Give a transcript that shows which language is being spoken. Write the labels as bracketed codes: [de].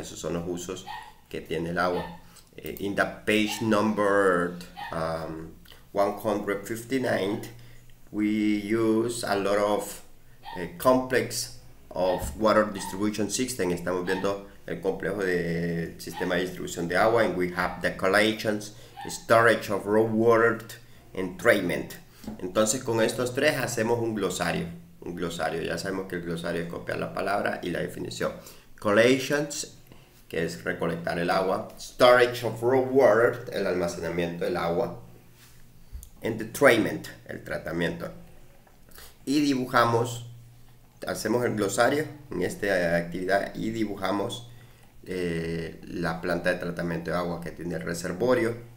[es] Esos son los usos que tiene el agua. [en] In the page number 159, we use a lot of complex of water distribution system. [es] Estamos viendo el complejo del sistema de distribución de agua. [en] And we have the collections, storage of raw water, and treatment. [es] Entonces con estos tres hacemos un glosario. Un glosario, ya sabemos que el glosario es copiar la palabra y la definición. Collections, que es recolectar el agua. [en] Storage of raw water, [es] el almacenamiento del agua. [en] And the treatment, [es] el tratamiento. Y dibujamos, hacemos el glosario en esta actividad y dibujamos la planta de tratamiento de agua que tiene el reservorio.